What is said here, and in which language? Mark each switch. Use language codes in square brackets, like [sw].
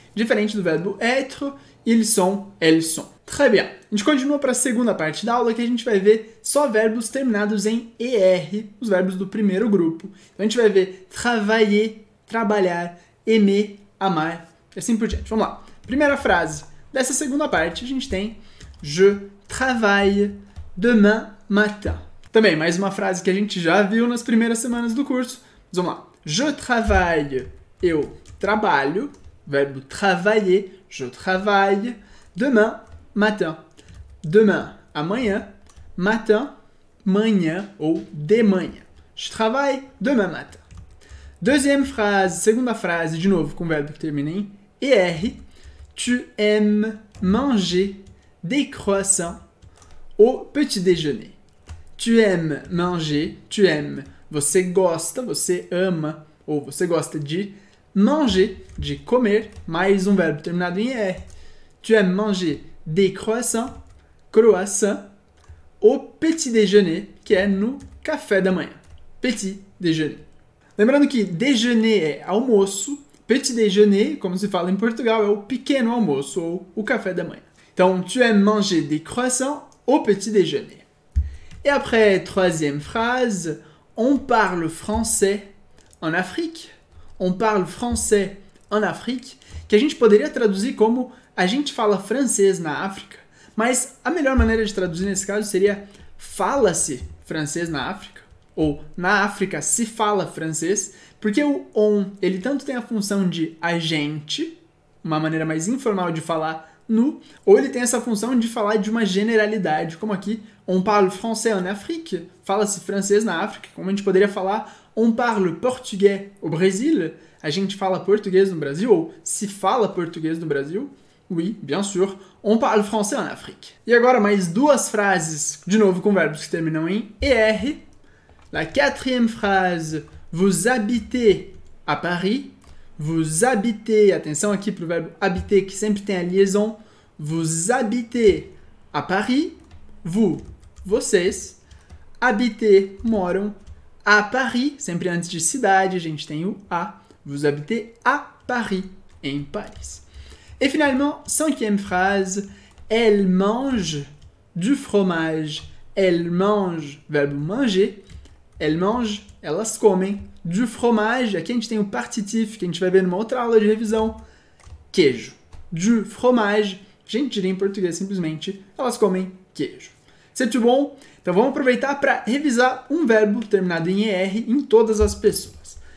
[pt] Diferente do verbo être, [fr] ils sont, elles sont. Très bien. [pt] A gente continua para a segunda parte da aula, que a gente vai ver só verbos terminados em ER, os verbos do primeiro grupo. Então, a gente vai ver travailler, trabalhar, aimer, amar, e assim por diante. Vamos lá. Primeira frase dessa segunda parte, a gente tem [fr] je travaille demain matin. [pt] Também, mais uma frase que a gente já viu nas primeiras semanas do curso. Vamos lá. [fr] Je travaille, [pt] eu trabalho, verbo travailler, [fr] je travaille demain matin. [pt] Demain, amanhã. Matin, manhã ou de manhã. [fr] Je travaille demain matin. Deuxième phrase, [pt] segunda frase, de novo com o verbo que termina em ER. [fr] Tu aimes manger des croissants au petit déjeuner. Tu aimes manger, tu aimes, [pt] você gosta, você ama, ou você gosta de manger, de comer, mais um verbo terminado em ER. [fr] Tu aimes manger des croissants, croissants, au petit déjeuner, [pt] que é no café da manhã. Petit déjeuner. Lembrando que déjeuner é almoço, petit déjeuner, como se fala em Portugal, é o pequeno almoço ou o café da manhã. Então, [fr] tu aimes manger des croissants au petit déjeuner. Et après, troisième phrase, on parle français en Afrique. On parle français en Afrique, [pt] que a gente poderia traduzir como a gente fala francês na África, mas a melhor maneira de traduzir nesse caso seria fala-se francês na África, ou na África se fala francês, porque o on, ele tanto tem a função de a gente, uma maneira mais informal de falar nu, ou ele tem essa função de falar de uma generalidade, como aqui, [fr] on parle français en Afrique, [pt] fala-se francês na África, como a gente poderia falar [fr] on parle portugais au Brésil, [pt] a gente fala português no Brasil, ou se fala português no Brasil, [fr] oui, bien sûr, on parle français en Afrique. [pt] E agora mais duas frases, de novo com verbos que terminam em ER. [fr] La quatrième phrase, vous habitez à Paris. Vous habitez, [pt] atenção aqui para o verbo habiter que sempre tem a liaison. [fr] Vous habitez à Paris. Vous, [pt] vocês. Habitez, moram. [fr] À Paris, [pt] sempre antes de cidade, a gente tem o A. [fr] Vous habitez à Paris, [pt] em Paris. [fr] E finalement, cinquième phrase, elle mange du fromage. Elle mange, verbo manger. Elles mangent, [pt] elas comem, [fr] du fromage, [pt] aqui a gente tem o partitif, que a gente vai ver numa outra aula de revisão, queijo. [fr] Du fromage, [pt] a gente diria em português simplesmente, elas comem queijo. [fr] C'est tout bon? [pt] Então vamos aproveitar para revisar um verbo terminado em ER em todas as pessoas.